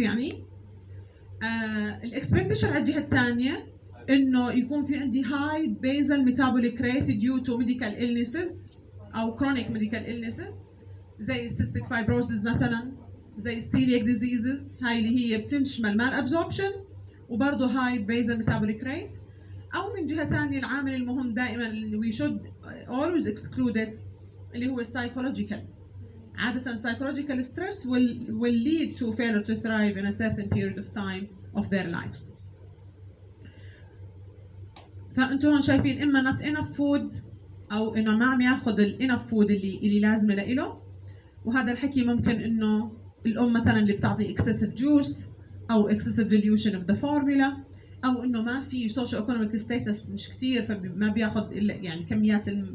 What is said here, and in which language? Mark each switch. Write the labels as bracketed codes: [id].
[ar] يعني ال expenditure على الجهه الثانيه انه يكون في عندي [en] high basal metabolic rate due to medical illnesses [ar] او [en] chronic medical illnesses [ar] زي cystic fibrosis مثلا، زي celiac diseases هاي اللي هي بتنشمل مال absorption وبرضو هاي basal metabolic rate. او من جهة تانية العامل المهم دائما [en] we should always exclude it [ar] اللي هو psychological. عادة [en] psychological stress will lead to failure to thrive in a certain period of time of their lives. [ar] فانتو هون شايفين اما [en] not enough food [ar] او انه ما عم ياخد ال [en] enough food [ar] اللي لازمه لإله، وهذا الحكي ممكن انه الام مثلا اللي بتعطي [en] excessive juice [ar] او [en] excessive dilution of the formula، [ar] او انه ما في [en] social economic status [ar] مش كتير فما بياخد الا يعني كميات